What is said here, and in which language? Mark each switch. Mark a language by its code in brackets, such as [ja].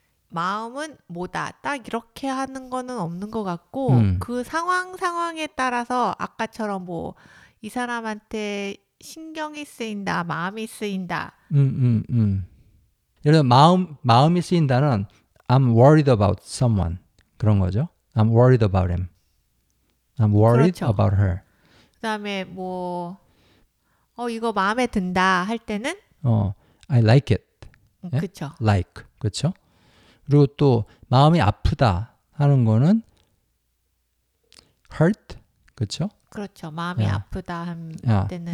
[ko] 마음은 뭐다. 딱 이렇게 하는 거는 없는 것 같고 그 상황에 따라서 아까처럼 뭐 이 사람한테 신경이 쓰인다, 마음이 쓰인다. 예를 들어 마음이 쓰인다는 [en] I'm worried about someone. [ko] 그런 거죠. [en] I'm worried about him. I'm worried [ko] 그렇죠. [en] about her. [ko] 그 다음에 뭐 이거 마음에 든다 할 때는 [en] I like it. [ko] 예? 그쵸. Like. 그쵸? 그리고 또 마음이 아프다 하는 거는 hurt. 그쵸? 그렇죠. 마음이 yeah. 아프다 할 yeah. 때는